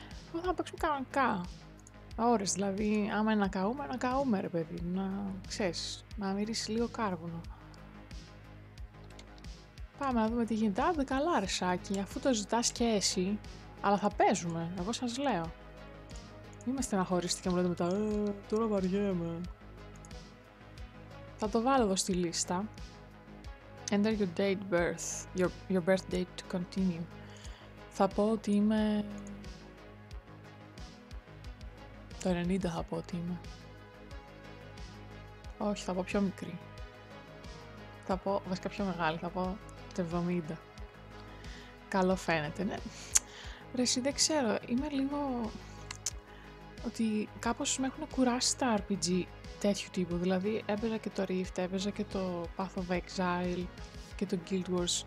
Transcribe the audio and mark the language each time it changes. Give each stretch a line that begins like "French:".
Greek: Εγώ θέλω να παίξουμε κανονικά. Ώρες, δηλαδή, άμα είναι να καούμε ρε παιδί, να ξέρεις, να μυρίσει λίγο κάρβουνο. Πάμε να δούμε τι γίνεται. Άντε καλά ρε Σάκη, αφού το ζητάς και εσύ. Αλλά θα παίζουμε, εγώ σας λέω. Είμαι στεναχωρίστη και μου λέτε μετά, τώρα βαριέμαι. Θα το βάλω εδώ στη λίστα.
English: Enter your date birth, your birth date to continue.
Greek: Θα πω ότι είμαι... Το 90 θα πω ότι είμαι. Όχι, θα πω πιο μικρή. θα πω, βασικά πιο μεγάλη, θα πω 70. Καλό φαίνεται, ναι. Ρε εσύ, δεν ξέρω, είμαι λίγο... ότι κάπως με έχουν κουράσει τα RPG τέτοιου τύπου, δηλαδή έπαιζα και το Rift, έπαιζα και το Path of Exile και το Guild Wars.